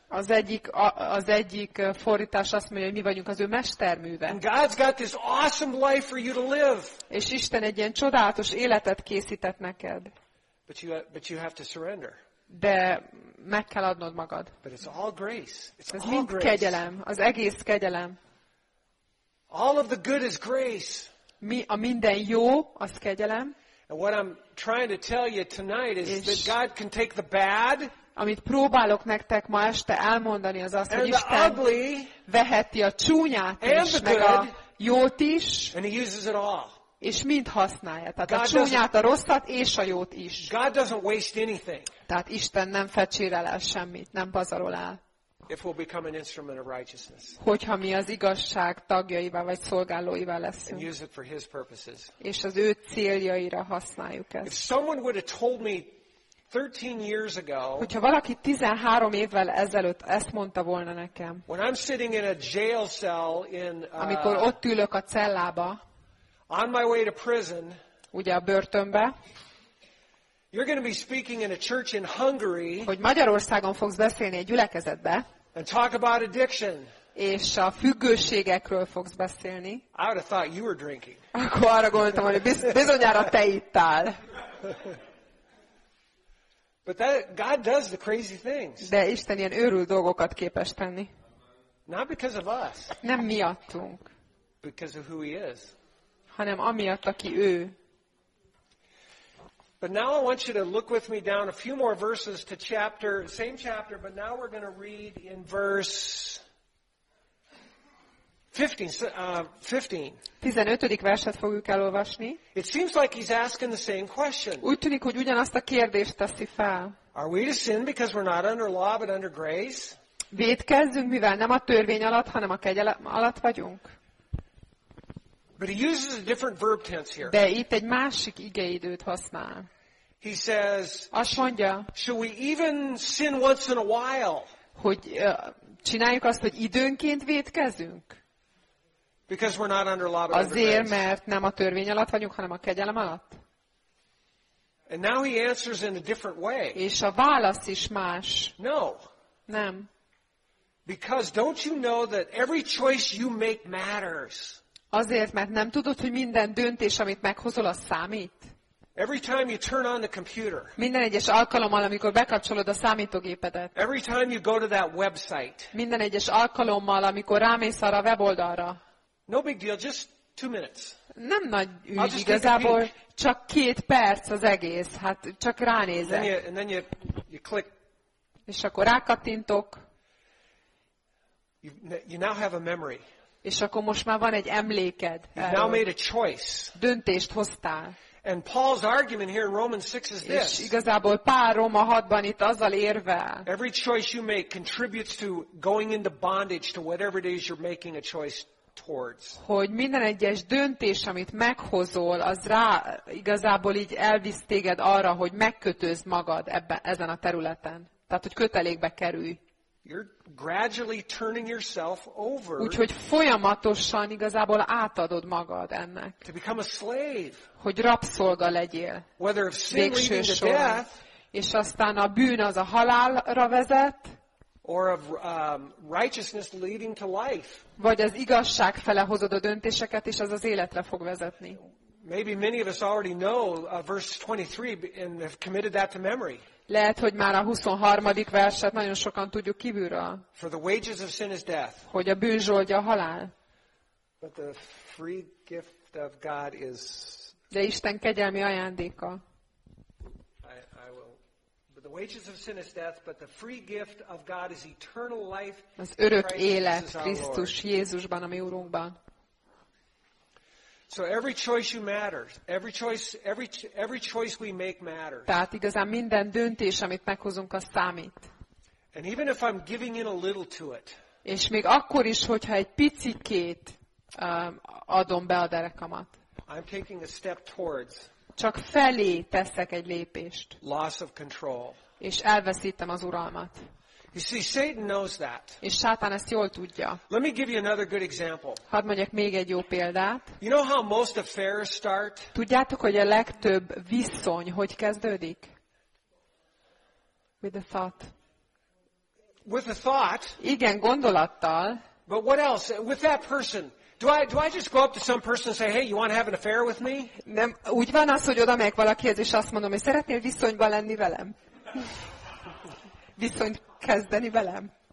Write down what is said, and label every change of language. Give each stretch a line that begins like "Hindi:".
Hungarian: Az egyik fordítás azt mondja, hogy mi vagyunk az ő mesterműve.
English: And God's got this awesome life for you to live.
Hungarian: És Isten egy ilyen csodálatos életet készített neked.
English: But you have to surrender.
Hungarian: De meg kell adnod magad.
English: But it's all grace. It's
Hungarian: ez mind kegyelem, az egész kegyelem.
English: All of the good is grace.
Hungarian: A minden jó, az kegyelem.
English: And what I'm trying to tell you tonight is that God can take the bad.
Hungarian: Amit próbálok nektek ma este elmondani, az az, hogy Isten
English: ugly,
Hungarian: veheti a csúnyát is, meg
English: good,
Hungarian: a jót is.
English: And he uses it all.
Hungarian: És mind használja. Tehát a csúnyát, a rosszat és a jót is.
English: God doesn't waste anything.
Hungarian: Tehát Isten nem fecsérel el semmit, nem pazarol el.
English: If we'll become an instrument of righteousness.
Hungarian: Hogyha mi az igazság tagjaivá vagy szolgálóivá leszünk.
English: And use it for his purposes.
Hungarian: És az ő céljaira használjuk ezt.
English: If someone would have told me 13 years ago.
Hungarian: Hogyha valaki 13 évvel ezelőtt ezt mondta volna nekem.
English: When I'm sitting in a jail cell in
Hungarian: amikor ott ülök a cellába.
English: On my way to prison.
Hungarian: Ugye a börtönbe.
English: You're going to be speaking in a church in Hungary.
Hungarian: Hogy Magyarországon fogsz beszélni egy gyülekezetbe.
English: And talk about addiction.
Hungarian: És a függőségekről fogsz beszélni.
English: I would have thought you were drinking.
Hungarian: Akkor arra gondoltam, hogy bizonyára te ittál.
English: But that, God does the crazy things.
Hungarian: De Isten ilyen őrült dolgokat képes tenni.
English: Not because of us.
Hungarian: Nem miattunk.
English: Because of who he is.
Hungarian: Hanem amiatt, aki ő.
English: But now I want you to look with me down a few more verses to chapter, same chapter, but now we're going to read in verse 15. 15.
Hungarian: Verset fogjuk elolvasni.
English: It seems like he's asking the same question.
Hungarian: Úgy tűnik, hogy ugyanazt a kérdést teszi fel.
English: Are we to sin because we're not under law but under grace?
Hungarian: Vétkezzünk, mivel nem a törvény alatt, hanem a kegyelem alatt vagyunk.
English: But he uses a different verb tense here.
Hungarian: De itt egy másik igeidőt használ.
English: He says,
Hungarian: azt mondja,
English: should we even sin once in a while?
Hungarian: Hogy csináljuk azt, hogy időnként vétkezünk?
English: Because we're not under law.
Hungarian: Azért, mert nem a törvény alatt vagyunk, hanem a kegyelem alatt.
English: And now he answers in a different way.
Hungarian: És a válasz is más.
English: No.
Hungarian: Nem.
English: Because don't you know that every choice you make matters?
Hungarian: Azért, mert nem tudod, hogy minden döntés, amit meghozol, az számít.
English: Every time you turn on the computer.
Hungarian: Minden egyes alkalommal, amikor bekapcsolod a számítógépedet.
English: Every time you go to that website.
Hungarian: Minden egyes alkalommal, amikor rámész arra a weboldalra.
English: No big deal, just 2 minutes.
Hungarian: Nem nagy ügy igazából, csak 2 perc az egész. Hát csak ránézek.
English: And then you click.
Hungarian: És akkor rákattintok.
English: You now have a memory.
Hungarian: És akkor most már van egy emléked.
English: Now made a choice.
Hungarian: Döntést hoztál.
English: And Paul's argument here in Romans 6 is this.
Hungarian: És igazából Pál Róma 6-ban itt azzal érvel.
English: Every choice you make contributes to going into bondage to whatever it is you're making a choice towards.
Hungarian: Hogy minden egyes döntés, amit meghozol, az rá igazából így elvisz téged arra, hogy megkötözd magad ebben, ezen a területen. Tehát, hogy kötelékbe kerülj.
English: You're gradually turning yourself over.
Hungarian: Úgyhogy folyamatosan igazából átadod magad ennek.
English: To become a slave.
Hungarian: Hogy rabszolga legyél.
English: Whether of sin leading to death.
Hungarian: És aztán a bűn az a halálra vezet.
English: Or of righteousness leading to life.
Hungarian: Vagy az igazság fele hozod a döntéseket, és az az életre fog vezetni.
English: Maybe many of us already know verse 23 and have committed that to memory.
Hungarian: Lehet, hogy már a 23. verset nagyon sokan tudjuk kívülről.
English: For the wages of sin is death.
Hungarian: Hogy a bűn zsoldja a halál.
English: But the free gift of God is.
Hungarian: De Isten kegyelmi ajándéka.
English: I will. But the wages of sin is death, but the free gift of God is eternal life.
Hungarian: Az örök élet Krisztus Jézusban, a mi Urunkban.
English: So every choice you matters. Every choice we make matters.
Hungarian: Tehát igazán minden döntés, amit meghozunk, az számít.
English: And even if I'm giving in a little to it.
Hungarian: És még akkor is, hogyha egy picikét adom be a derekamat.
English: I'm taking a step towards.
Hungarian: Csak felé teszek egy lépést.
English: Loss of control.
Hungarian: És elveszítem az uralmat.
English: You see, Satan knows that.
Hungarian: És Sátán ezt jól tudja.
English: Let me give you another good example.
Hungarian: Hadd mondjak még egy jó példát.
English: You know how most affairs start?
Hungarian: Tudjátok, hogy a legtöbb viszony hogy kezdődik?
English: With the thought. With the thought.
Hungarian: Igen, gondolattal.
English: But what else? With that person. Do I just go up to some person and say, hey, you want to have an affair with me?
Hungarian: Nem, úgy van az, hogy oda megyek valakihez, és azt mondom, hogy szeretnél viszonyban lenni velem? Viszonyt kezdeni velem?